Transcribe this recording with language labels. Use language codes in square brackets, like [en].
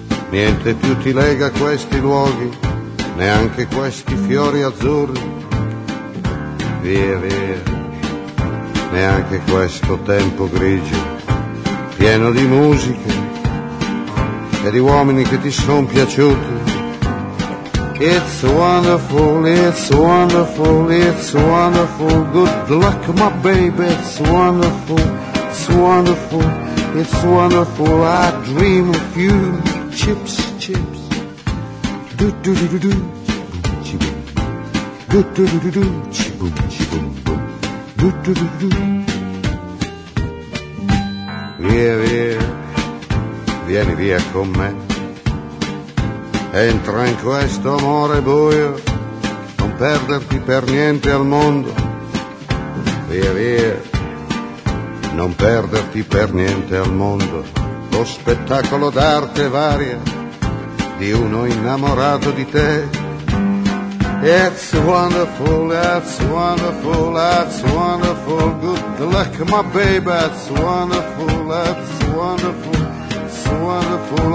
[it] Niente più ti lega a questi luoghi, neanche questi fiori azzurri. Via, via, neanche questo tempo grigio, pieno di musiche e di uomini che ti sono piaciuti. [en] It's wonderful, it's wonderful, it's wonderful. Good luck, my baby, it's wonderful. It's wonderful, it's wonderful. I dream of you. Chips, chips. Do do do do do. Chibum, chibum. Do do do do do. Chibum, chibum, boom. Do do do do do. [it] Via, via, vieni via con me. Entra in questo amore buio. Non perderti per niente al mondo. Via, via. Non perderti per niente al mondo, lo spettacolo d'arte varia di uno innamorato di te. [en] It's wonderful, that's wonderful, that's wonderful. Good luck, my baby, it's wonderful, that's wonderful, it's wonderful.